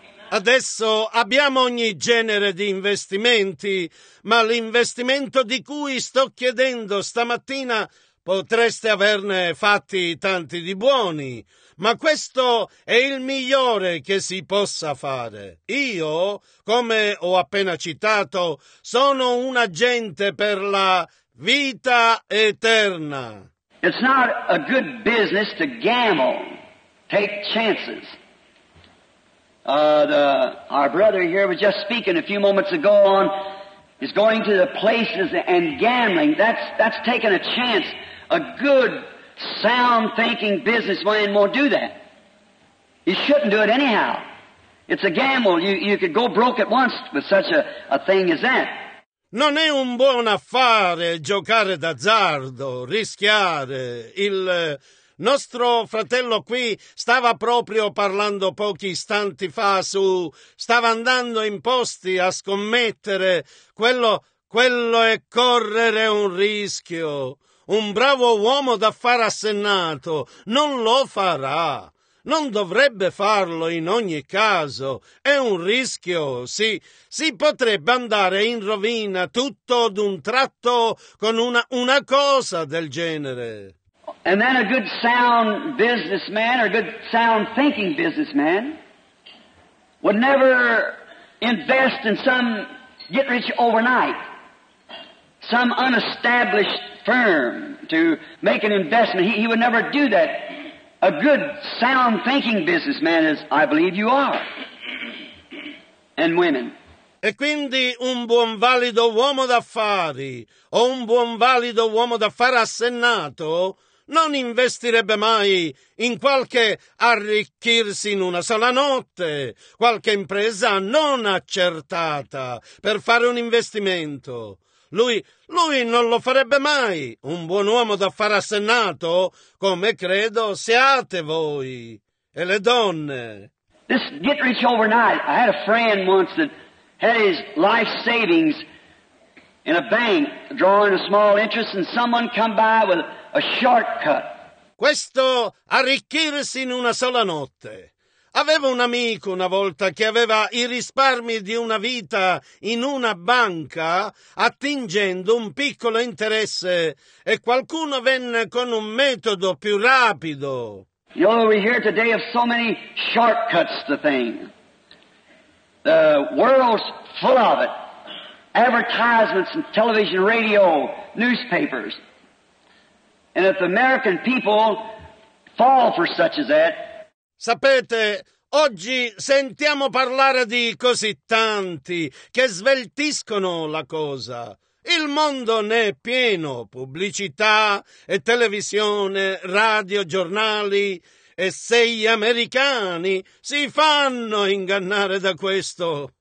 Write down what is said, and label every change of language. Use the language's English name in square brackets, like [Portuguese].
[Italian] Adesso abbiamo ogni genere di investimenti, ma l'investimento di cui sto chiedendo stamattina potreste averne fatti tanti di buoni, ma questo è il migliore che si possa fare. Io, come ho appena citato, sono un agente per la vita eterna. [English] It's not a good business to gamble. Take chances. Our brother here was just speaking a few moments ago on is going to the places and gambling. That's taking a chance. A good, sound thinking businessman won't do that. You shouldn't do it anyhow. It's a gamble. You could go broke at once with such a thing as that. [Italian] Non è un buon affare giocare d'azzardo, rischiare. Il nostro fratello qui stava proprio parlando pochi istanti fa su stava andando in posti a scommettere. Quello è correre un rischio. Un bravo uomo d'affari assennato non lo farà. Non dovrebbe farlo in ogni caso. È un rischio, sì. Si potrebbe andare in rovina tutto d'un tratto con una cosa del genere. [English] And then a good sound businessman or a good sound thinking businessman would never invest in some get rich overnight, some unestablished firm to make an investment. He would never do that. A good sound thinking businessman is, I believe you are, and women. [Italian] E quindi un buon valido uomo d'affari o un buon valido uomo d'affari assennato non investirebbe mai in qualche arricchirsi in una sola notte, qualche impresa non accertata per fare un investimento. Lui non lo farebbe mai, un buon uomo d'affari assennato, come credo siate voi e le donne. [English] This get rich overnight. I had a friend once that had his life savings in a bank drawing a small interest and someone come by with a shortcut. [Italian] Questo arricchirsi in una sola notte. Avevo un amico una volta che aveva i risparmi di una vita in una banca attingendo un piccolo interesse e qualcuno venne con un metodo più rapido. [English] You know, we hear today of so many shortcuts to things. The world's full of it. Advertisements and television, radio, newspapers. And if the American people fall for such as that. [Italian] Sapete, oggi sentiamo parlare di così tanti che sveltiscono la cosa. Il mondo ne è pieno, pubblicità e televisione, radio, giornali. E se gli americani si fanno ingannare da questo.